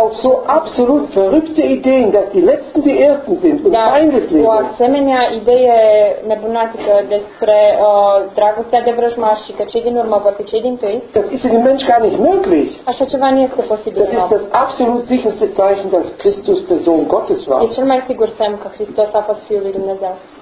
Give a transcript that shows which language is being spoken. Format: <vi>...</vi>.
<de>Auch so absolut verrückte Ideen, dass die Letzten die Ersten sind und feindeslich.</de> <ro>O asemenea idee nebunatică despre dragostea de vrăjmași și că cei din urmă vor fi cei din tâi.</ro> <de>Das ist für den Mensch gar nicht möglich.</de> <ro>Așa ceva nu este posibil.</ro> <de>Das ist das absolut sicherste Zeichen, dass Christus der Sohn Gottes war.</de> <ro>E cel mai sigur semn că Hristos a fost Fiul lui Dumnezeu.</ro>